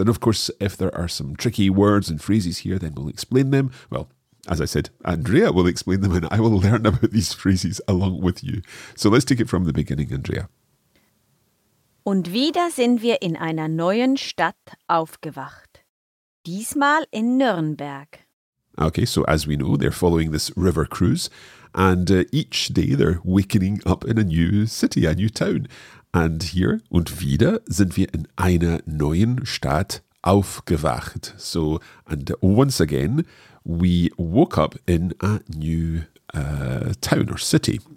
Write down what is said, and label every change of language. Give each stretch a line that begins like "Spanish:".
English: And of course, if there are some tricky words and phrases here, then we'll explain them. Well, as I said, Andrea will explain them and I will learn about these phrases along with you. So let's take it from the beginning, Andrea.
German: Und wieder sind wir in einer neuen Stadt aufgewacht. Diesmal in Nürnberg.
English: Okay, so as we know, they're following this river cruise. And each day they're wakening up in a new city, a new town. And here,
German: und wieder, sind wir in einer neuen Stadt aufgewacht.
English: So, and once again, we woke up in a new town or city.